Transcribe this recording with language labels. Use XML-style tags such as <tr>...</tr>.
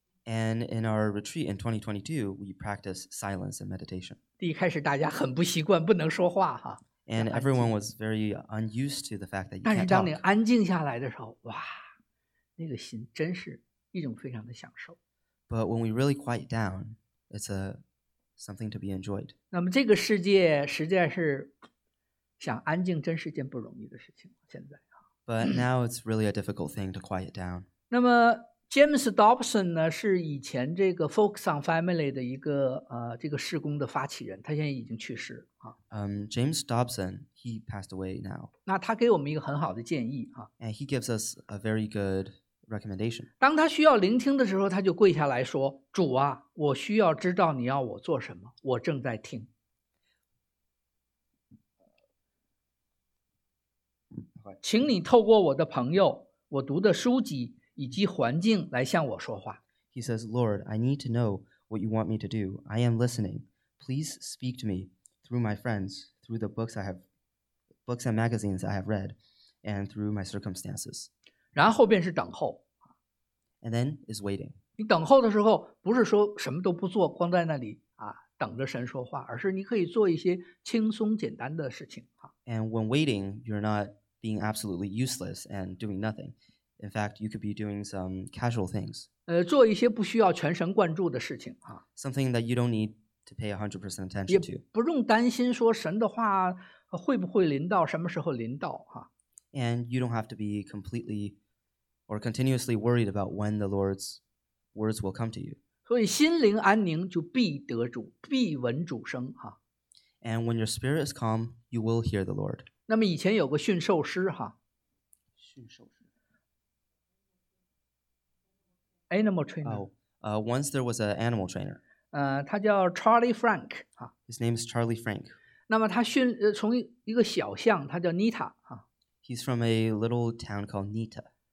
<en>And in our retreat in 2022, we practice silence and meditation.</en> <zh>第一开始大家很不习惯，不能说话。</zh> <en>And everyone was very unused to the fact that you can't talk.</en> <zh>但是当你安静下来的时候，哇，那个心真是一种非常的享受。</zh> <en>But when we really quiet down, it's something to be enjoyed.</en> <zh>那么这个世界实在是想安静真是件不容易的事情，现在。</zh> <en>But now it's really a difficult thing to quiet down.</en> <zh>那么James Dobson 呢，是以前这个 Focus on Family 的一个这个事工的发起人，他现在已经去世。</zh> <en>James Dobson, he passed away now.</en> <zh>那他给我们一个很好的建议。</zh> <en>And he gives us a very good recommendation.</en> <zh>当他需要聆听的时候，他就跪下来说，主啊，我需要知道你要我做什么，我正在听。请你透过我的朋友，我读的书籍，以及环境来向我说话。</zh> <en>He says, Lord, I need to know what you want me to do. I am listening. Please speak to me through my friends, through the books and magazines I have read, and through my circumstances.</en> <zh>然后便是等候。</zh> <en>And then is waiting.</en> <zh>你等候的时候，不是说什么都不做，光在那里等着神说话，而是你可以做一些轻松简单的事情。</zh> <en>And when waiting, you're not being absolutely useless and doing nothing. In fact, you could be doing some casual things.</en> <zh>做一些不需要全神贯注的事情。</zh> <en>Something that you don't need to pay 100% attention to.</en> <zh>也不用担心说神的话会不会临到，什么时候临到。</zh> <en>And you don't have to be completely or continuously worried about when the Lord's words will come to you.</en> <zh>所以心灵安宁就必得主，必闻主声。</zh> <en>And when your spirit is calm, you will hear the Lord.</en> <zh>那么以前有个驯兽师。驯兽师。</zh> <en>Animal trainer. Once there was an animal trainer.</en> <zh>他叫 Charlie Frank.</zh> <en>His name is Charlie Frank.</en> <zh>那么他训从一个小巷，他叫 Nita.</zh> <en>He's from a little town called Nita.</en>